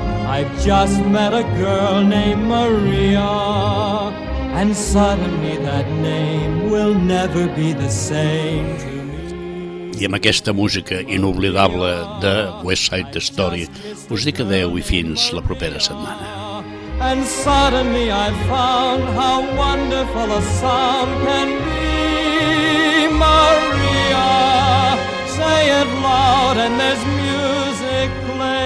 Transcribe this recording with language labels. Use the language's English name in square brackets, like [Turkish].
[English] I've just met a girl named Maria, and suddenly that name will never be the same to me. [Catalan] I amb aquesta música inoblidable de West Side Story, us dic adeu i fins la propera setmana. [English] And suddenly I found how wonderful a sound can be. Maria, say it loud and there's music clear.